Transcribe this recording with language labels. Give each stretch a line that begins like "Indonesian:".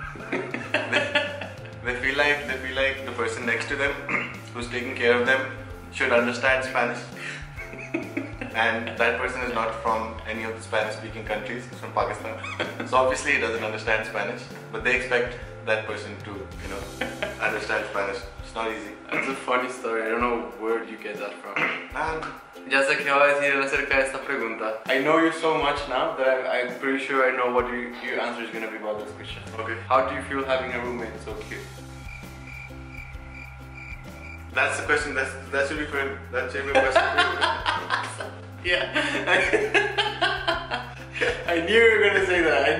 English: they feel like the person next to them, who's taking care of them, should understand Spanish. And that person is not from any of the Spanish-speaking countries, it's from Pakistan. So obviously he doesn't understand Spanish, but they expect that person to, you know, understand Spanish. It's not easy. That's a funny story, I don't know where you get that from. And
Spanish: ya sé qué va a decir acerca de esta pregunta.
English: I know you so much now that I'm pretty sure I know what your answer is gonna be about this question. Okay. How do you feel having a roommate so cute? That's the question, that should be for him. That should be a question for you. Yeah. I knew you were gonna say that.